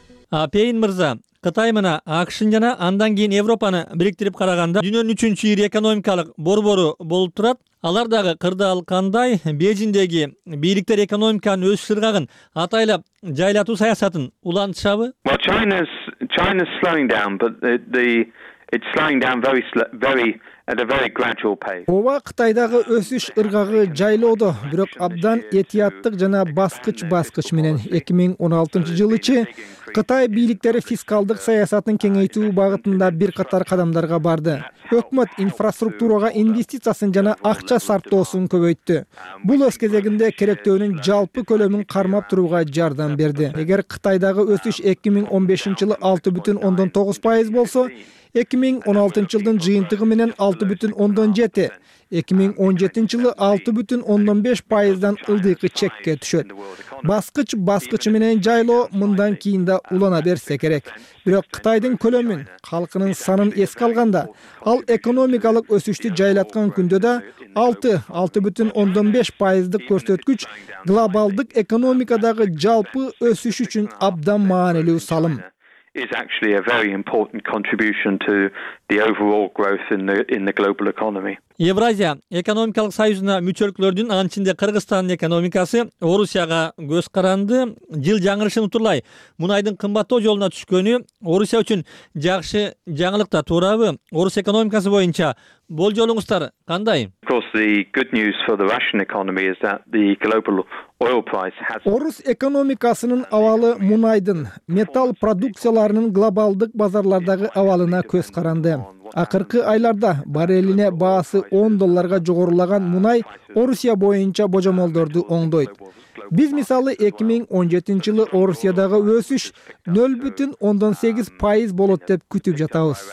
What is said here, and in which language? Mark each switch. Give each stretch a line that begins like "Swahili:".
Kyrgyz: А Пейн мырза, Кытай мына АКШын жана андан кийин Европаны бириктирип караганда дүйнөнүн 3-чү ири экономикалык борбору болуп турат. Алар дагы кырдаал кандай? Бээжиндеги бийликтер экономиканын өсүш ыргагын атайлап жайлатуу саясатын улантышабы?
English: Well, China's slowing down, but it's slowing down very at a very gradual pace.
Kyrgyz: Ова Кытайдагы өсүш ыргагы жайлоодо, бирок абдан этияттык жана баскыч-баскыч менен 2016 жылычы Кытай бийликтери фискалдык саясатын кеңейтүү багытында бир катар кадамдарга барды. Өкмөт инфраструктурага инвестициясын жана акча сарптоосун көбөйттү. Бул өз кезегинде керектөөнүн жалпы көлөмүн кармап турууга жардам берди. Эгер Кытайдагы өсүш 2015 жылы 6.9% болсо, 2016 жылдын жыйынтыгы менен 6.7, 2017 жылы 6.5%дан ылдыйкы чекке түшөт. Баскыч-баскычы менен жайлоо мындан кийин да улана берсе керек. Бирок Кытайдын көлөмүн, халкынын санын эске алганда, ал экономикалык өсүштү жайлаткан күндө да 6-6.5% көрсөткүч глобалдык экономикадагы жалпы өсүш үчүн абдан маанилүү салым.
English: Is actually a very important contribution to the overall growth in the global economy.
Kyrgyz: Евразия экономикалык союзуна мүчөлүклөрдүн анын ичинде Кыргызстандын экономикасы Орусияга көз каранды. Жыл жаңырышын утурлай мунайдын кымбаттоо жолуна түшкөнү Орусия үчүн жакшы жаңылык да, туурабы? Орус экономикасы боюнча болжолуңуздар кандай?
English: Of course, the good news for the Russian economy is that the global oil price has
Kyrgyz: Орус экономикасынын абалы мунайдын металл продукцияларынын глобалдык базарлардагы абалына көз каранды. Акыркы айларда бареллине баасы $10 жогорулаган мунай Орусия боюнча божомолдорду оңдойт. Биз мисалы 2017 жылы Орусиядагы өсүш 0.8% болот деп күтүп жатабыз.